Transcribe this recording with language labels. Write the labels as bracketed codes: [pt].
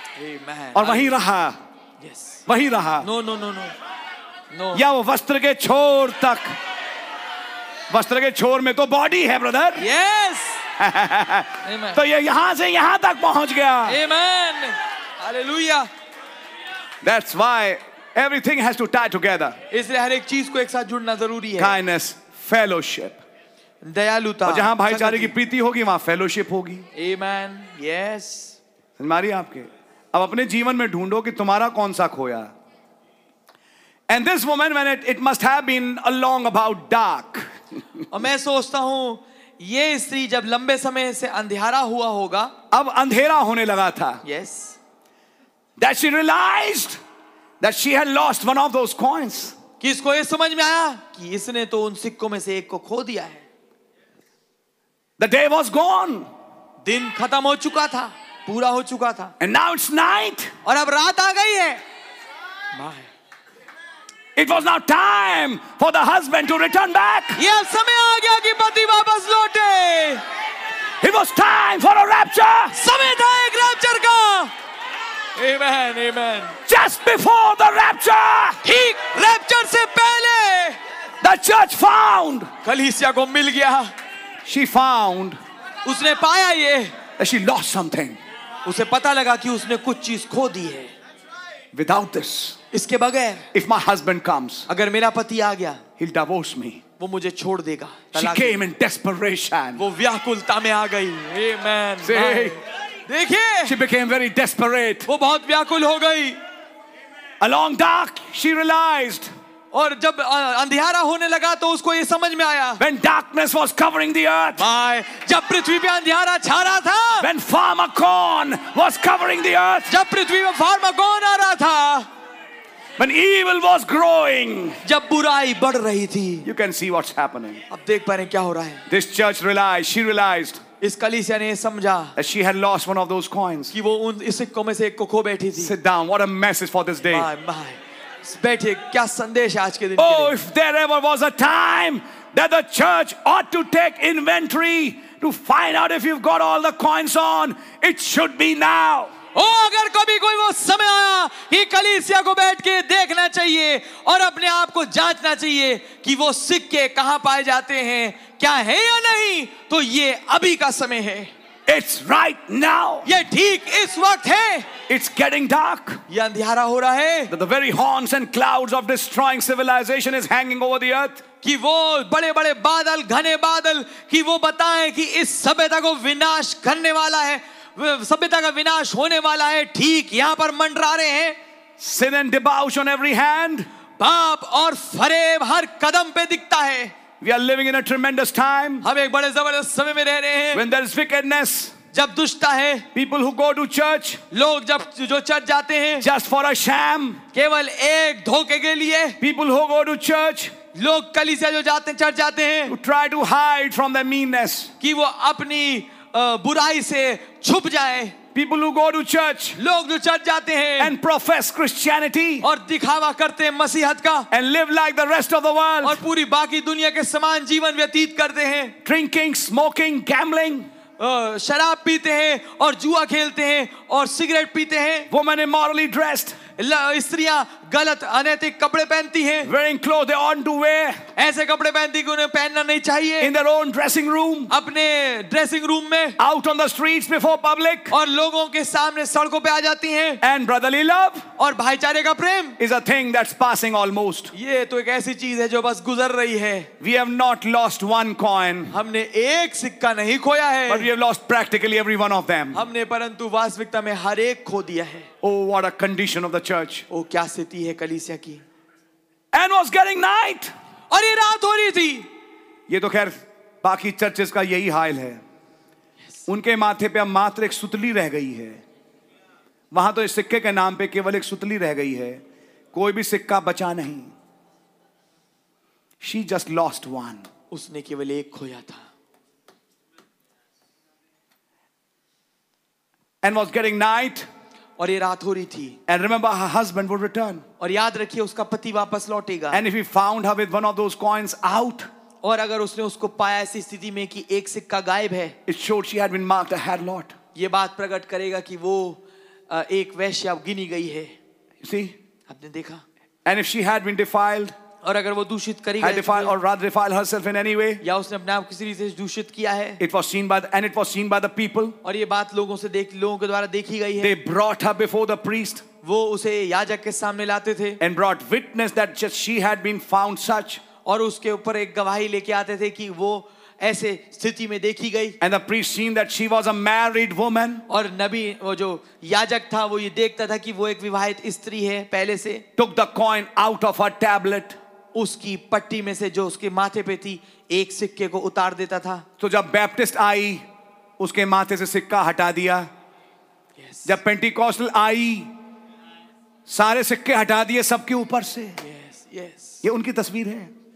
[en] Amen. [hi] और वहीं रहा. [en] Yes. [hi] वहीं रहा. [en] No no no no no. [hi] या वो वस्त्र के छोर तक. वस्त्र के छोर में तो बॉडी है ब्रदर. [en] Yes. Amen. [hi] तो ये यहां से यहां तक पहुंच गया. [en] Amen. Hallelujah. That's why everything has to tie together. [hi] इसलिए हर एक चीज को एक साथ जुड़ना जरूरी है. [en] Kindness, fellowship. [hi] दयालुता. और जहां भाईचारे की प्रीति होगी वहां fellowship होगी. [en] Amen. Yes. [hi] हमारी आपके. अब अपने जीवन में ढूंढो कि तुम्हारा कौन सा खोया. [en] And this woman, when it must have been along about dark. [hi] और मैं सोचता हूं ये स्त्री जब लंबे समय से अंधेरा हुआ होगा. अब अंधेरा होने लगा था. [en] Yes. That she realized that she had lost one of those coins. [hi] किसको ये समझ में आया कि इसने तो उन सिक्कों में से एक को खो दिया है. [en] The day was gone. [hi] दिन खत्म हो चुका था. पूरा हो चुका था. [en] And now it's night. [hi] और अब रात आ गई है. [en] It was now time for the husband to return back. [hi] ये समय आ गया कि पति वापस लौटे. [en] It was time for a rapture. [hi] समय था एक रैप्चर का. [en] Amen, amen. Just before the rapture. [hi] ठीक रैप्चर से पहले. [en] The church found. [hi] कलीसिया को मिल गया. [en] She found. [hi] उसने पाया ये. [en] That she lost something. [hi] उसे पता लगा कि उसने कुछ चीज खो दी है. [en] Without this. [hi] इसके बगैर. [en] If my husband comes. [hi] अगर मेरा पति आ गया. [en] He'll divorce me. [hi] वो मुझे छोड़ देगा. [en] She came in desperation. [hi] वो व्याकुलता में आ गई. [en] Amen. See. [hi] देखिए. [en] She became very desperate. [hi] वो बहुत व्याकुल हो गई. [en] Along dark, she realized. [hi] और जब अंधेरा होने लगा तो उसको ये समझ में आया. [en] When darkness was covering the earth. [hi] My. जब पृथ्वी पे अंधेरा छा रहा था. [en] When pharmacon was covering the earth. [hi] जब पृथ्वी पे फार्माकोन आ रहा था. [en] When evil was growing. [hi] जब बुराई बढ़ रही थी. [en] You can see what's happening. [hi] अब देख पा रहे क्या हो रहा है. [en] This church realized. She realized. [hi] इस कलीसिया ने समझा. [en] She had lost one of those coins. [hi] कि वो उन इस सिक्कों में से एक को खो बैठी थी. [en] Sit down. What a message for this day. My, my. [hi] बैठे क्या संदेश आज के दिन. [en] Oh, if there ever was a time that the church ought to take inventory to find out if you've got all the coins on, it should be now. [hi] Oh, अगर कभी कोई वो समय आया कि कलीसिया को बैठ के देखना चाहिए और अपने आप को जांचना चाहिए कि वो सिक्के कहां पाए जाते हैं, क्या है या नहीं, तो ये अभी का समय है. [en] It's right now. [hi] ये ठीक इस वक्त है. [en] It's getting dark. [hi] ये अंधियारा हो रहा है. [en] The very horns and clouds of destroying civilization is hanging over the earth. [hi] कि वो बड़े-बड़े बादल, घने बादल, कि वो बताएं कि इस सभ्यता को विनाश करने वाला है, सभ्यता का विनाश होने वाला है. ठीक यहाँ पर मंडरा रहे हैं. [en] Sin and debauch on every hand. [hi] पाप और फरेब हर कदम पे दिखता है. [en] We are living in a tremendous time. [hi] हम एक बड़े जबरदस्त समय में रह रहे हैं. [en] When there is wickedness. [hi] जब दुष्टता है. [en] People who go to church. [hi] लोग जब जो चर्च जाते हैं. [en] Just for a sham. [hi] केवल एक धोखे के लिए. [en] People who go to church. [hi] लोग कलीसिया जो जाते हैं चर्च जाते हैं. [en] To try to hide from their meanness. [hi] कि वो अपनी बुराई से छुप जाए. [en] People who go to church. [hi] लोग जो चर्च जाते हैं. [en] And profess Christianity. [hi] और दिखावा करते हैं मसीहत का. [en] And live like the rest of the world. [hi] और पूरी बाकी दुनिया के समान जीवन व्यतीत करते हैं. [en] Drinking, smoking, gambling. [hi] शराब पीते हैं और जुआ खेलते हैं और सिगरेट पीते हैं. [en] Women immorally dressed. [hi] स्त्रियां गलत अनैतिक कपड़े पहनती हैं. [en] Wearing clothes they ought to wear. [hi] ऐसे कपड़े पहनती कि उन्हें पहनना नहीं चाहिए. [en] In their own dressing room. [hi] अपने ड्रेसिंग रूम में. [en] Out on the streets before public. [hi] और लोगों के सामने सड़कों पे आ जाती हैं. [en] And brotherly love. [hi] और भाईचारे का प्रेम. [en] Is a thing that's passing almost. [hi] ये तो एक ऐसी चीज है जो बस गुजर रही है. [en] We have not lost one coin. [hi] हमने एक सिक्का नहीं खोया है. [en] But we have lost practically every one of them. [hi] हमने परंतु वास्तविकता में हर एक खो दिया है. [en] Oh, what a condition of the church. [hi] Oh, क्या स्थिति है कलीसिया की. [en] And was getting night. [hi] और ये रात हो रही थी. ये तो खैर बाकी चर्चेस का यही हाल है. उनके माथे पे अब मात्र एक सुतली रह गई है. वहां तो इस सिक्के के नाम पे केवल एक सुतली रह गई है. कोई भी सिक्का बचा नहीं. [en] She just lost one. [hi] उसने केवल एक खोया था. [en] And was getting night. [hi] और ये रात हो रही थी. [en] And remember her husband would return. [hi] और याद रखिए उसका पति वापस लौटेगा. [en] And if he found her with one of those coins out. [hi] और अगर उसने उसको पाया ऐसी स्थिति में कि एक सिक्का गायब है. [en] It showed she had been marked a harlot. [hi] ये बात प्रकट करेगा कि वो एक वेश्या गिनी गई है. [en] You see? [hi] आपने देखा? [en] And if she had been defiled. [hi] और अगर वो दूषित करी गई थी. [en] Or rather defiled herself in any way. [hi] या उसने अपने आप किसी तरीके से दूषित किया है. [en] It was seen by the people. [hi] और ये बात लोगों से देख लोगों के द्वारा देखी गई है. [en] They brought her before the priest. [hi] वो उसे याजक के सामने लाते थे. [en] And brought witness that she had been found such. [hi] और उसके ऊपर एक गवाही लेके आते थे कि वो ऐसे स्थिति में देखी गई. [en] And the priest seen that she was a married woman. [hi] और नबी वो जो याजक था वो ये देखता था कि वो एक विवाहित स्त्री है पहले से. [en] Took the coin out of her tablet. [hi] उसकी पट्टी में से जो उसके माथे पे थी एक सिक्के को उतार देता था. तो जब बैप्टिस्ट आई उसके माथे से सिक्का हटा दिया. [en] Yes. [hi] जब पेंटिकॉस्टल आई सारे सिक्के हटा दिए सबके ऊपर से. [en] Yes, yes. [hi] ये उनकी तस्वीर है.